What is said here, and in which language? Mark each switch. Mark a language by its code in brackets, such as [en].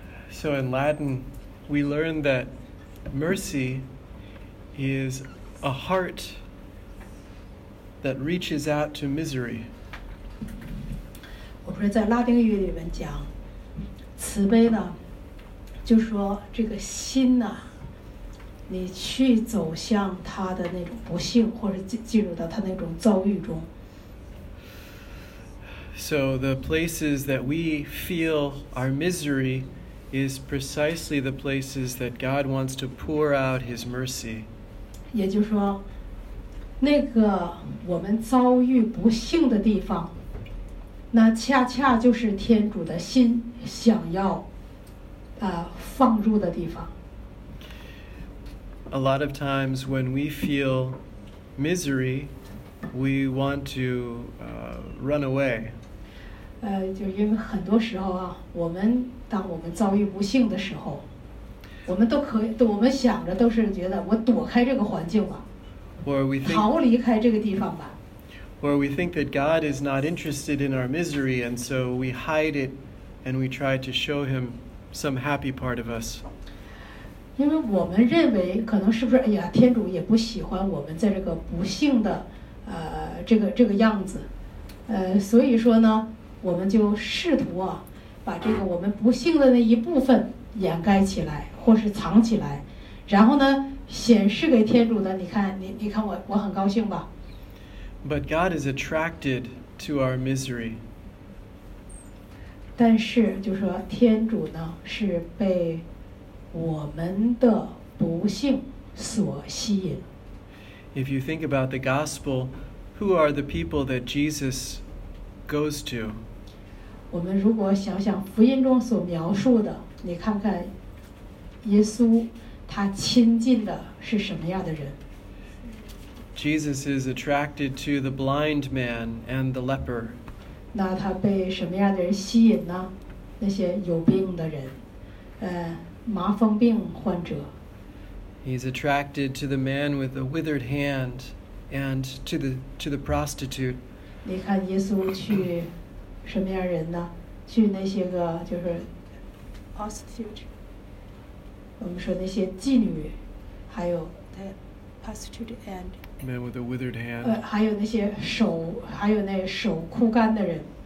[en] So in Latin, we learn that mercy is a heart that reaches out to misery. [zh] 我说在拉丁语里面讲，慈悲呢，就是说这个心呢，你去走向他的那种不幸，或者进入到他那种遭遇中。 [en] So the places that we feel our misery is precisely the places that God wants to pour out His mercy. [zh] 也就是说，那个我们遭遇不幸的地方，那恰恰就是天主的心想要，放入的地方。 [en] A lot of times when we feel misery, we want to run away. [zh] 就因为很多时候啊，我们当我们遭遇不幸的时候，我们都可以，我们想着都是觉得我躲开这个环境吧， [en] or we think, [zh] 逃离开这个地方吧。 [en] Or we think that God is not interested in our misery, and so we hide it, and we try to show Him some happy part of us. [zh] 因为我们认为可能是不是，哎呀，天主也不喜欢我们在这个不幸的，这个样子，所以说呢，我们就试图啊，把这个我们不幸的那一部分掩盖起来，或是藏起来，然后呢，显示给天主的。你看，你看我很高兴吧。 [en] But God is attracted to our misery. [zh] 但是就说天主呢，是被我们的不幸所吸引。 [en] If you think about the gospel, who are the people that Jesus goes to? [zh] 我们如果想想福音中所描述的，你看看耶稣他亲近的是什么样的人。 [en] Jesus is attracted to the blind man and the leper. [zh] 那他被什么样的人吸引呢？那些有病的人，麻风病患者。 [en] He's attracted to the man with a withered hand and to the prostitute. [zh] 你看耶稣去什么样的人呢？去那些个就是 [en] prostitute. [zh] 我们说那些妓女，还有 [en] the prostitute and man with a withered hand. [zh] 还有那些手，还有那手枯干的人。